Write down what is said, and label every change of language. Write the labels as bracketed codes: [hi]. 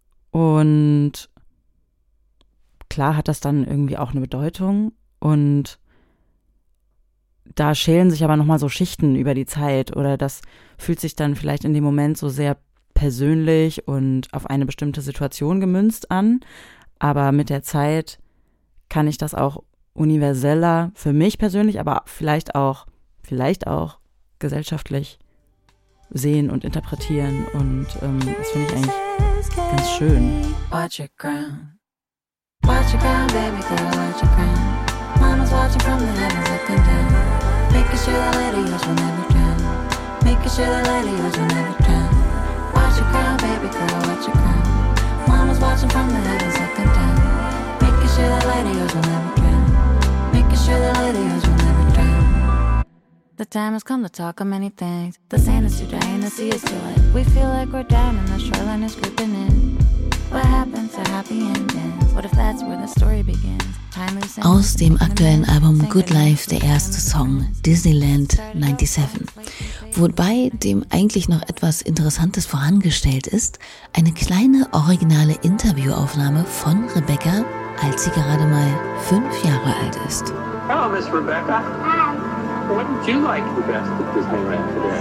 [de] Und klar hat das dann irgendwie auch eine Bedeutung und da schälen sich aber nochmal so Schichten über die Zeit oder das fühlt sich dann vielleicht in dem Moment so sehr persönlich und auf eine bestimmte Situation gemünzt an. Aber mit der Zeit kann ich das auch universeller für mich persönlich, aber vielleicht auch gesellschaftlich sehen und interpretieren. Und das finde ich eigentlich ganz schön. [en] Watch your crown. Watch your crown, baby girl, watch your crown. Mama's watching from the heavens looking down. Making sure the lady yours will never drown. Making sure the lady yours will never drown. Watch your crown, baby girl, watch your crown. Mama's watching from the heavens looking down. Making sure the lady yours will never drown. Making sure the lady yours will never drown. The time has come to talk of many things. The sand is too dry and the sea is too wet. We feel like we're down and the shoreline is creeping in. What happens to happy endings? What if that's where the story begins? [de] Aus dem aktuellen Album Good Life der erste Song, Disneyland 97. Wobei dem eigentlich noch etwas Interessantes vorangestellt ist, eine kleine originale Interviewaufnahme von Rebecca, als sie gerade mal 5 Jahre alt ist. [en] Hello, Miss Rebecca. Hi. What did you like the best at Disneyland today?